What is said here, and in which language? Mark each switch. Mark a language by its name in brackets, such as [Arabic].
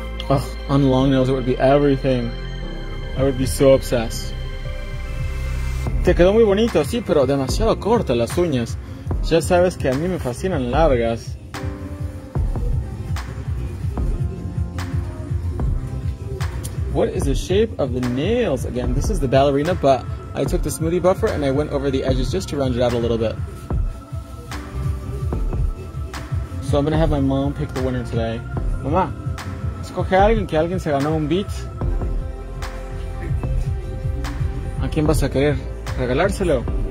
[English] Ugh, on long nails it would be everything. I would be so obsessed. [Spanish] Te quedó muy bonito, sí, pero demasiado corta las uñas. Ya sabes que a mí me fascinan largas. [English] What is the shape of the nails? Again, this is the ballerina, but I took the smoothie buffer and I went over the edges just to round it out a little bit. So I'm gonna have my mom pick the winner today. [Spanish] Mama, escoge a alguien que alguien se ganó un beat. ¿A quién vas a querer regalárselo?